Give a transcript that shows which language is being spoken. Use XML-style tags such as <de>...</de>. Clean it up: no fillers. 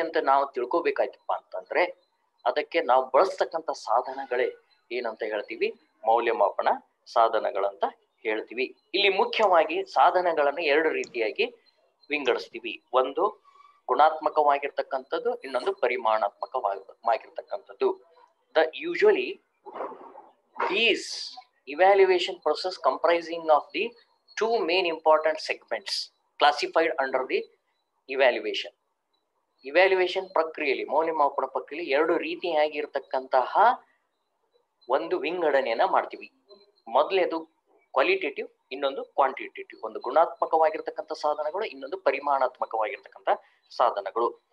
<kn>ಅಂತ ನಾವು ತಿಳ್ಕೋಬೇಕಾಯ್ತಪ್ಪ ಅಂತಂದರೆ ಅದಕ್ಕೆ ನಾವು ಬಳಸ್ತಕ್ಕಂಥ ಸಾಧನಗಳೇ ಏನಂತ ಹೇಳ್ತೀವಿ, ಮೌಲ್ಯಮಾಪನ ಸಾಧನಗಳಂತ ಹೇಳ್ತೀವಿ. ಇಲ್ಲಿ ಮುಖ್ಯವಾಗಿ ಸಾಧನಗಳನ್ನು ಎರಡು ರೀತಿಯಾಗಿ ವಿಂಗಡಿಸ್ತೀವಿ. ಒಂದು ಗುಣಾತ್ಮಕವಾಗಿರ್ತಕ್ಕಂಥದ್ದು, ಇನ್ನೊಂದು ಪರಿಮಾಣಾತ್ಮಕವಾಗಿರ್ತಕ್ಕಂಥದ್ದು.</kn> <en>Usually these evaluation process comprising of the two main important segments classified under the evaluation.</en> <kn>Evaluation ಪ್ರಕ್ರಿಯೆಯಲ್ಲಿ ಮೌಲ್ಯಮಾಪನ ಪ್ರಕ್ರಿಯೆಯಲ್ಲಿ ಎರಡು ರೀತಿಯಾಗಿರ್ತಕ್ಕಂತಹ ಒಂದು ವಿಂಗಡಣೆಯನ್ನು ಮಾಡ್ತೀವಿ. ಮೊದಲೇದು ಕ್ವಾಲಿಟೇಟಿವ್, ಇನ್ನೊಂದು ಕ್ವಾಂಟಿಟೇಟಿವ್. ಒಂದು ಗುಣಾತ್ಮಕವಾಗಿರ್ತಕ್ಕಂಥ ಸಾಧನಗಳು, ಇನ್ನೊಂದು ಪರಿಮಾಣಾತ್ಮಕವಾಗಿರ್ತಕ್ಕಂಥ ಸಾಧನಗಳು.</kn>